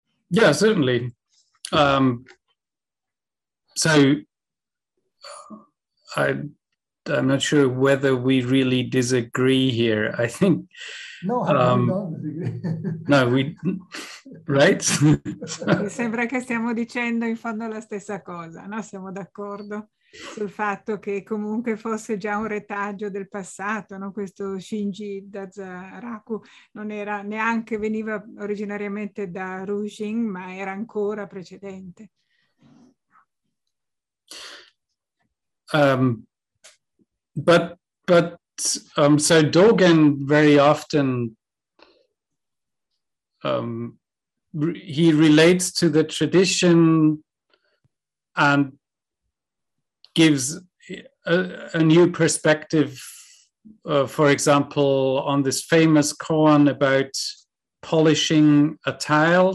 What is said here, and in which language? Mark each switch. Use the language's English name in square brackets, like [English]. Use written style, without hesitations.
[English] Yeah, certainly. So I'm not sure whether we really disagree here. I think no, no, we right. [Italian] Mi sembra che stiamo dicendo in fondo la stessa cosa, no? Siamo d'accordo sul fatto che comunque fosse già un retaggio del passato, no? Questo Shinji Datsuraku non era neanche, veniva originariamente da Rujing, ma era ancora precedente. [English] So Dogen very often he relates to the tradition and gives a new perspective, for example, on this famous koan about polishing a tile.